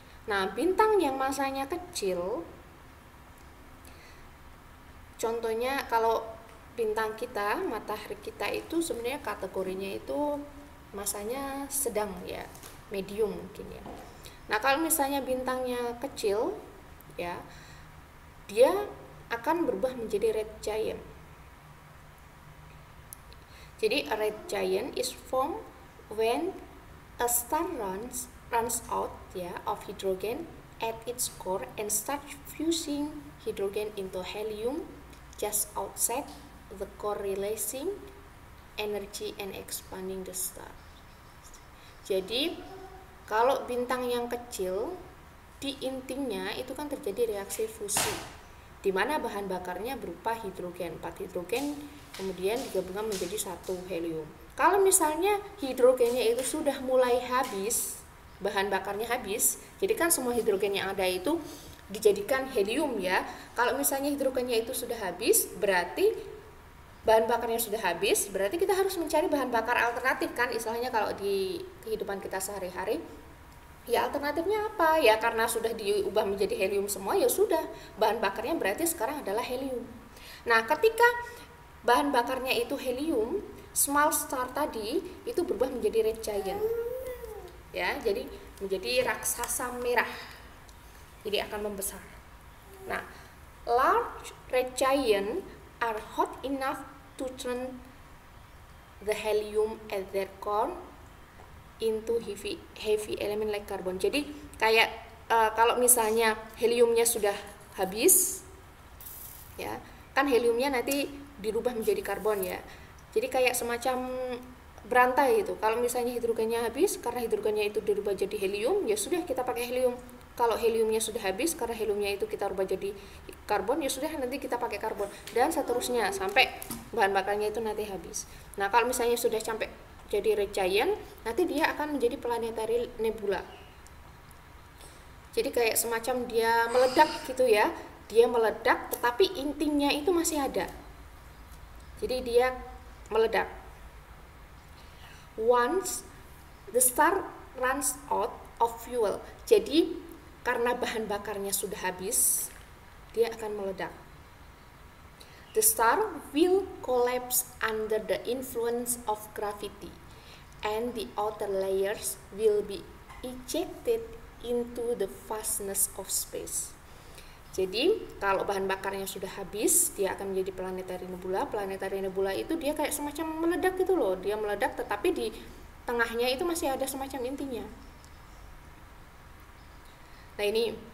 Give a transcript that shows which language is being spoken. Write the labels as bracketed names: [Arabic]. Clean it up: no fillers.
[Indonesian] Nah, bintang yang masanya kecil, contohnya kalau bintang kita, matahari kita itu sebenarnya kategorinya itu masanya sedang ya, medium mungkin ya. Nah, kalau misalnya bintangnya kecil ya, dia akan berubah menjadi red giant. [English] Jadi a red giant is formed when a star runs out ya of hydrogen at its core and starts fusing hydrogen into helium just outside the core, releasing energy and expanding the star. [Indonesian] Jadi kalau bintang yang kecil di intinya itu kan terjadi reaksi fusi di mana bahan bakarnya berupa hidrogen, 4 hidrogen kemudian digabungkan menjadi satu helium. Kalau misalnya hidrogennya itu sudah mulai habis, bahan bakarnya habis, jadi kan semua hidrogen yang ada itu dijadikan helium ya. Kalau misalnya hidrogennya itu sudah habis, berarti bahan bakarnya sudah habis, berarti kita harus mencari bahan bakar alternatif kan, istilahnya kalau di kehidupan kita sehari-hari. Ya alternatifnya apa? Ya karena sudah diubah menjadi helium semua, ya sudah, bahan bakarnya berarti sekarang adalah helium. Nah, ketika bahan bakarnya itu helium, small star tadi itu berubah menjadi red giant. Ya, jadi menjadi raksasa merah. Jadi akan membesar. [English] Nah, large red giant are hot enough to turn the helium at their core into heavy element like carbon. [Indonesian] Jadi kayak kalau misalnya heliumnya sudah habis ya, kan heliumnya nanti dirubah menjadi karbon ya. Jadi kayak semacam berantai itu. Kalau misalnya hidrogennya habis karena hidrogennya itu dirubah jadi helium, ya sudah kita pakai helium. Kalau heliumnya sudah habis karena heliumnya itu kita rubah jadi karbon, ya sudah nanti kita pakai karbon dan seterusnya sampai bahan bakarnya itu nanti habis. Nah, kalau misalnya sudah sampai jadi red giant, nanti dia akan menjadi planetary nebula. Jadi kayak semacam dia meledak gitu ya. Dia meledak tetapi intinya itu masih ada. Jadi dia meledak. [English] Once the star runs out of fuel. [Indonesian] Jadi karena bahan bakarnya sudah habis, dia akan meledak. [English] The star will collapse under the influence of gravity and the outer layers will be ejected into the vastness of space. [Indonesian] Jadi, kalau bahan bakarnya sudah habis, dia akan menjadi planetary nebula. Planetary nebula itu dia kayak semacam meledak gitu loh. Dia meledak tetapi di tengahnya itu masih ada semacam intinya. Nah, ini